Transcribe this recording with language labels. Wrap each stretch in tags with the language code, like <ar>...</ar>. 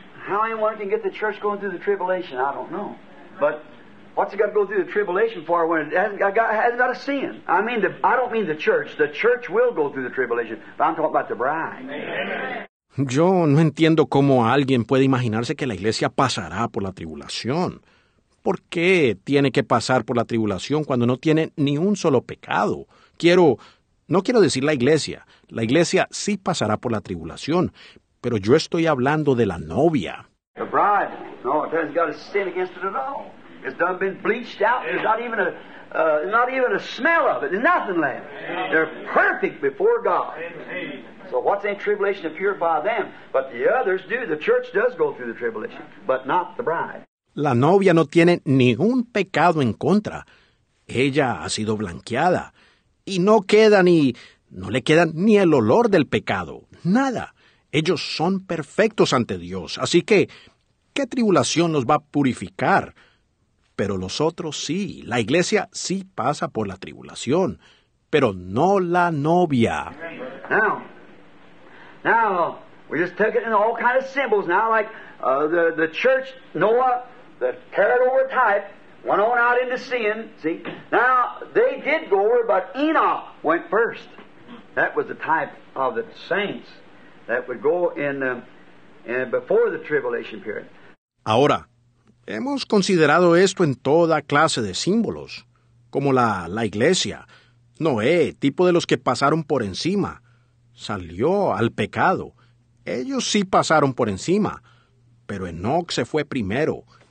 <en>How anyone can get the church going through the tribulation, I don't know. But what's it got to go through the tribulation for when it hasn't got a sin? I don't mean the church. The church will go through the tribulation, but I'm talking about the bride. Amen.</en> <es>Yo no entiendo cómo alguien puede imaginarse que la iglesia pasará por la tribulación. ¿Por qué tiene que pasar por la tribulación cuando no tiene ni un solo pecado? No quiero decir la iglesia. La iglesia sí pasará por la tribulación, pero yo estoy hablando de la novia.</es> <en>The bride, no, it hasn't got a sin against it at all. It's done been bleached out. There's not even a smell of it. There's nothing left. They're perfect before God. So what's in tribulation to purify them? But the others do. The church does go through the tribulation, but not the bride.</en> <es>La novia no tiene ningún pecado en contra. ella ha sido blanqueada y no le queda ni el olor del pecado, nada. Ellos son perfectos ante Dios, así que, ¿qué tribulación los va a purificar? Pero los otros sí, la iglesia sí pasa por la tribulación, pero no la novia.</es> <en>Now, we just took it in all kinds of symbols now, like the church, Noah, the carried over type, went on out into sin, see? Now, they did go over, but Enoch went first. That was the type of the saints that would go in before the tribulation period.</en> <es>Ahora, hemos considerado esto en toda clase de símbolos, como la iglesia, Noé, tipo de los que pasaron por encima, salió al pecado. Ellos sí pasaron por encima, pero Enoch se fue primero.</es>